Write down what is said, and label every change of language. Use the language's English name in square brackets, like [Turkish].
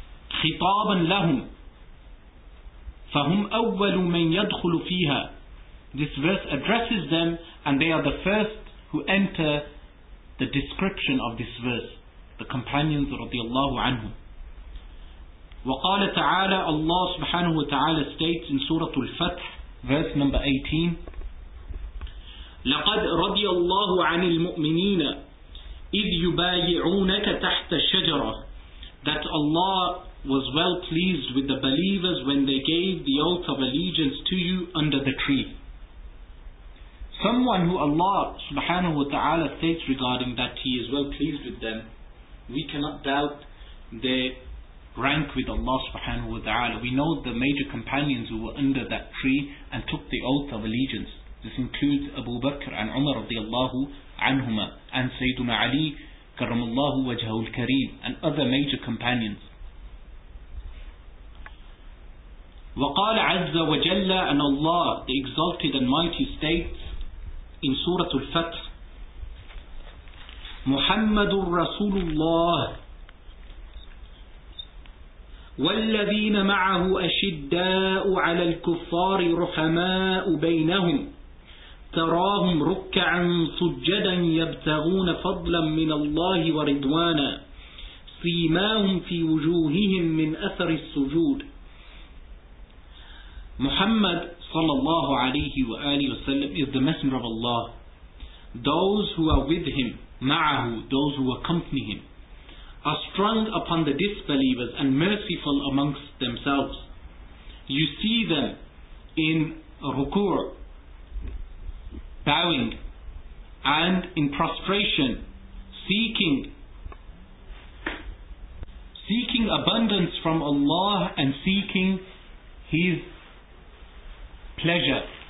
[Arabic] خطابا لهم فهم أول من يدخل فيها [English] this verse addresses them and they are the first who enter the description of this verse. The companions radiallahu anhum. [Arabic] وقال تعالى [English] Allah subhanahu wa ta'ala states in Surah Al-Fath, verse number 18, [Arabic] لقد رضي الله عن المؤمنين إذ يبايعونك تحت الشجرة [English] that Allah was well pleased with the believers when they gave the oath of allegiance to you under the tree. Someone who Allah subhanahu wa ta'ala states regarding that he is well pleased with them, we cannot doubt their rank with Allah subhanahu wa ta'ala. We know the major companions who were under that tree and took the oath of allegiance. This includes Abu Bakr and Umar radiallahu anhuma and Sayyiduna Ali karamallahu wajhahu al-kareem and other major companions. [Arabic] وَقَالَ عَزَّ وَجَلَّ [English] and Allah, the exalted and mighty states in Surah Al-Fath, [Arabic] محمد رسول الله والذين معه أشداء على الكفار رحماء بينهم تراهم ركعا سجدا يبتغون فضلا من الله ورضوانا سيماهم في وجوههم من أثر السجود محمد صلى الله عليه وآله وسلم [English] is the messenger of Allah. Those who are with him, ma'ahu, those who accompany him, are strung upon the disbelievers and merciful amongst themselves. You see them in ruku', bowing, and in prostration, seeking abundance from Allah and seeking His pleasure.